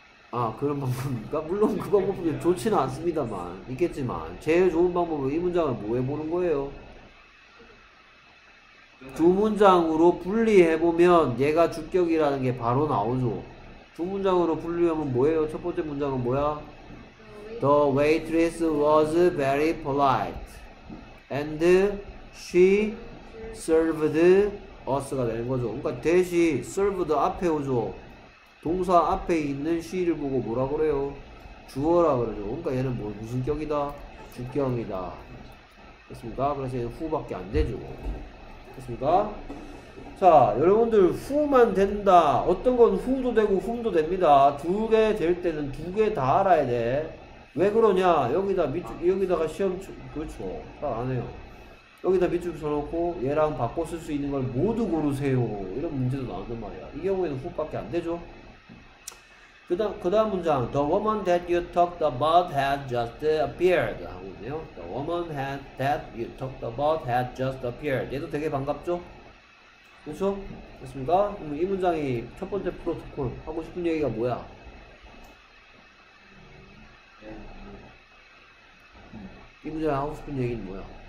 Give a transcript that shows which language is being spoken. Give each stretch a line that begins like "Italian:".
Korean: 아 그런 방법입니까? 물론 그 방법은 좋지는 않습니다만 있겠지만 제일 좋은 방법은 이 문장을 뭐 해보는 거예요? 두 문장으로 분리해보면 얘가 주격이라는 게 바로 나오죠. 두 문장으로 분리하면 뭐예요? 첫 번째 문장은 뭐야?
English: The waitress was very polite and she served us가
Korean: 되는 거죠. 그러니까 대시 served 앞에 오죠. 동사 앞에 있는 she를 보고 뭐라 그래요? 주어라 그러죠. 그러니까 얘는 뭐 무슨 격이다? 주격이다. 됐습니까? 그래서 얘는 후밖에 안 되죠. 됐습니까? 자, 여러분들 후만 된다. 어떤 건 후도 되고 훔도 됩니다. 두 개 될 때는 두 개 다 알아야 돼. 왜 그러냐? 여기다 밑줄 여기다가 시험 그렇죠. 잘 안 해요. 여기다 밑줄 쳐놓고 얘랑 바꿔 쓸 수 있는 걸 모두 고르세요. 이런 문제도 나오단 말이야. 이 경우에는 후밖에 안 되죠. 그다음 문장
English: The woman that you talked about had just appeared
Korean: 하고 있네요.
English: The woman that you talked about had just appeared.
Korean: 얘도 되게 반갑죠? 그렇죠? 됐습니까? 그럼 이 문장이 첫 번째 프로토콜 하고 싶은 얘기가 뭐야? 이 문장이 하고 싶은 얘기는 뭐야?